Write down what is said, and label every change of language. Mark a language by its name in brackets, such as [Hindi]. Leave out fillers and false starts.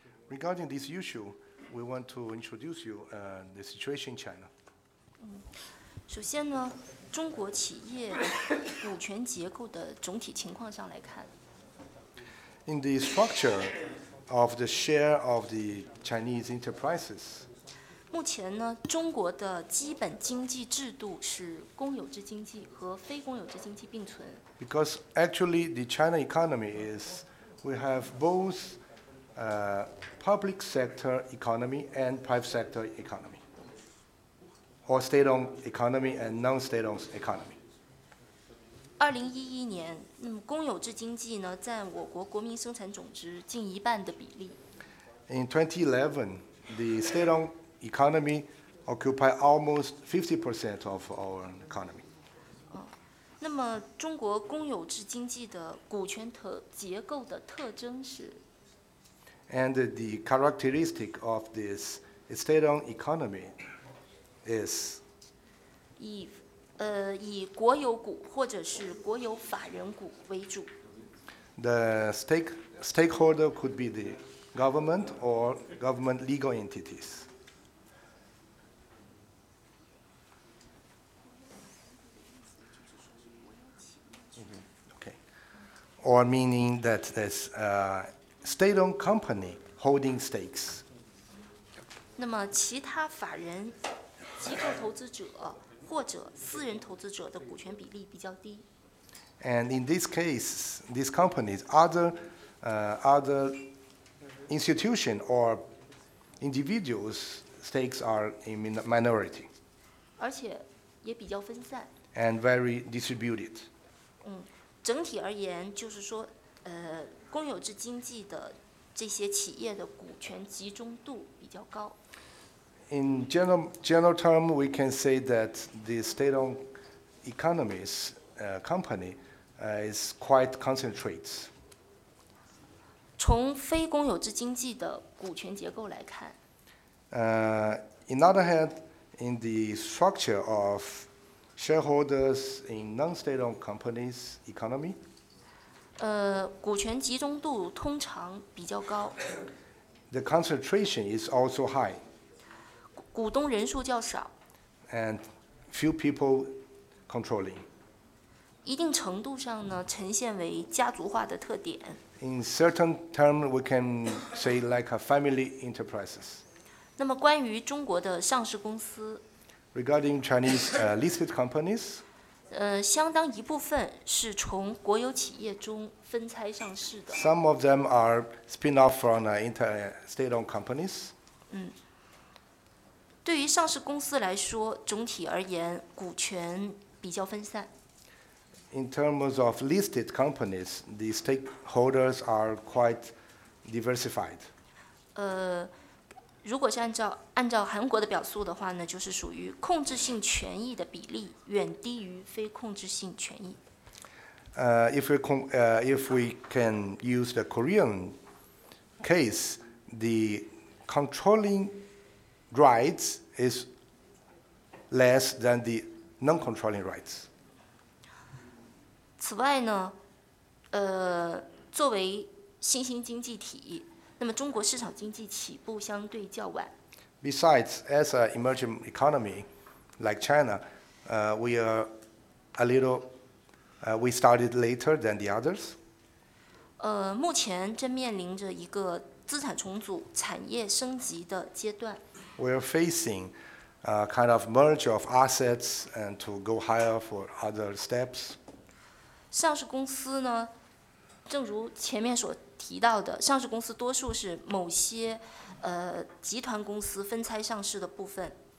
[English] Regarding this issue, we want to introduce you the situation in China. [Chinese] 首先呢，中国企业股权结构的总体情况上来看。 [English] In the structure of the share of the Chinese enterprises. [Chinese] 目前呢，中国的基本经济制度是公有制经济和非公有制经济并存。 [English] Because actually the China economy is, we have both public sector economy and private sector economy, or state-owned economy and non-state-owned economy. [Chinese] 2011年，公有制经济呢占我国国民生产总值近一半的比例。 [English] In 2011, the state-owned economy occupied almost 50% of our economy. [Chinese] 那么中国公有制经济的股权结构的特征是 [English] ？And the characteristic of this state-owned economy is [Chinese] 以国有股或者是国有法人股为主。 [English] The stakeholder could be the government or government legal entities. Or meaning that there's a state-owned company holding stakes. [Chinese] 那么其他法人、机构投资者或者私人投资者的股权比例比较低。 [English] And in this case, these companies, other institution or individuals, stakes are in minority. [Chinese] 而且也比较分散。 [English] And very distributed. [Chinese] 整体而言，就是说，公有制经济的这些企业的股权集中度比较高。 [English] In general term, we can say that the state-owned economies, company, is quite concentrated. [Chinese] 从非公有制经济的股权结构来看 [English] ，In other hand, in the structure of shareholders in non-state-owned companies' economy? [Chinese] 股权集中度通常比较高。 [English] The concentration is also high. [Chinese] 股东人数较少。 [English] And few people controlling. [Chinese] 一定程度上呢，呈现为家族化的特点。 [English] In certain terms, we can say like a family enterprises. [Chinese] 那么关于中国的上市公司。 [English] Regarding Chinese listed companies, [Chinese] 相当一部分是从国有企业中分拆上市的。 [English] Some of them are spin off from state-owned companies. [Chinese] 对于上市公司来说，总体而言，股权比较分散。 [English] In terms of listed companies, the stakeholders are quite diversified. [Chinese] 如果是按照韩国的表述的话呢，就是属于控制性权益的比例远低于非控制性权益。 [English] If we can use the Korean case, the controlling rights is less than the non-controlling rights. [Chinese] 此外呢，作为新兴经济体。那么中国市场经济起步相对较晚。 [English] Besides, as an emerging economy like China, we are a little, we started later than the others. [Chinese] 目前正面临着一个资产重组、产业升级的阶段。 [English] We are facing a kind of merge of assets and to go higher for other steps. [Chinese] 上市公司呢，正如前面所提到的，上市公司多数是某些集团公司分拆上市的部分。